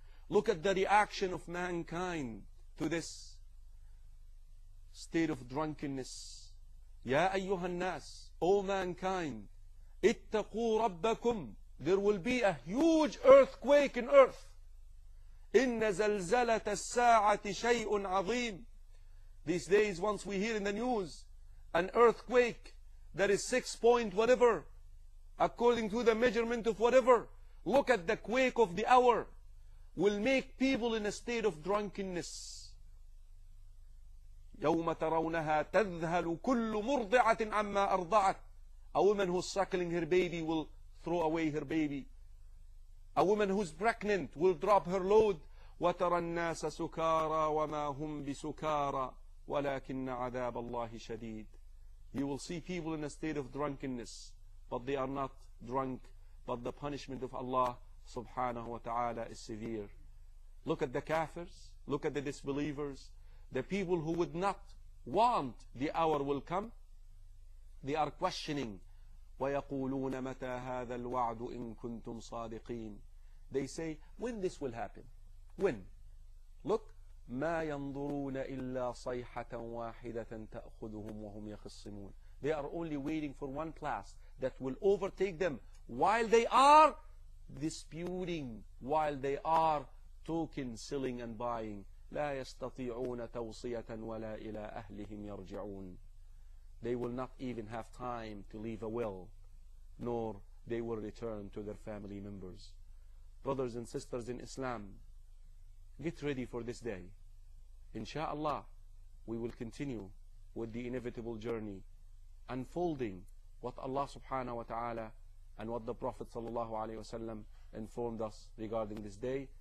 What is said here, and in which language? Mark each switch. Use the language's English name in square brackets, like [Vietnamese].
[English] Look at the reaction of mankind to this state of drunkenness. [Arabic] يا أيها الناس, [English] O mankind, [Arabic] اتقوا ربكم. [English] There will be a huge earthquake in earth. [Arabic] إن زلزلة الساعة شيء عظيم. [English] These days, once we hear in the news, an earthquake that is 6 point whatever, according to the measurement of whatever, look at the quake of the hour, will make people in a state of drunkenness. [Arabic] يوم ترونها تذهل كل مرضعة عما أرضعت. [English] A woman who's suckling her baby will throw away her baby. A woman who's pregnant will drop her load. [Arabic] وترى الناس سكارى وما هم بسكارى ولكن عذاب الله شديد. [English] You will see people in a state of drunkenness, but they are not drunk, but the punishment of Allah [Arabic] سبحانه وتعالى [English] is severe. Look at the kafirs, look at the disbelievers, the people who would not want the hour will come. They are questioning. [Arabic] ويقولون متى هذا الوعد إن كنتم صادقين. [English] They say, when this will happen? When? Look. [Arabic] ما ينظرون إلا صيحة واحدة تأخذهم وهم يخصمون. [English] They are only waiting for one blast that will overtake them while they are disputing, while they are talking, selling and buying. [Arabic] لا يستطيعون توصية ولا إلى أهلهم يرجعون. [English] They will not even have time to leave a will, nor they will return to their family members. Brothers and sisters in Islam, get ready for this day. Insha'Allah, we will continue with the inevitable journey, unfolding what Allah subhanahu wa ta'ala and what the Prophet sallallahu alayhi wa sallam informed us regarding this day.